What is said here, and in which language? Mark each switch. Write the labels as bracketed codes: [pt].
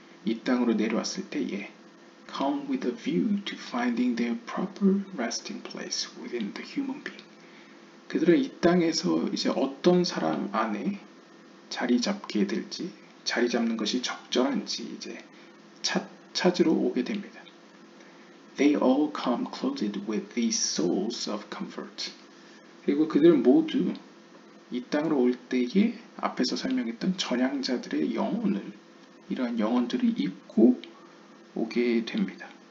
[ko] 이 땅으로 내려왔을 때에 [en] come with a view to finding their proper resting place within the human being. [ko] 그들은 이 땅에서 이제 어떤 사람 안에 자리 잡게 될지, 자리 잡는 것이 적절한지 이제 찾으러 오게 됩니다. [en] They all come clothed with these souls of comfort. [ko] 그리고 그들은 모두 이 땅으로 올 때에 앞에서 설명했던 전향자들의 영혼을, 이러한 영혼들을 입고 오게 됩니다.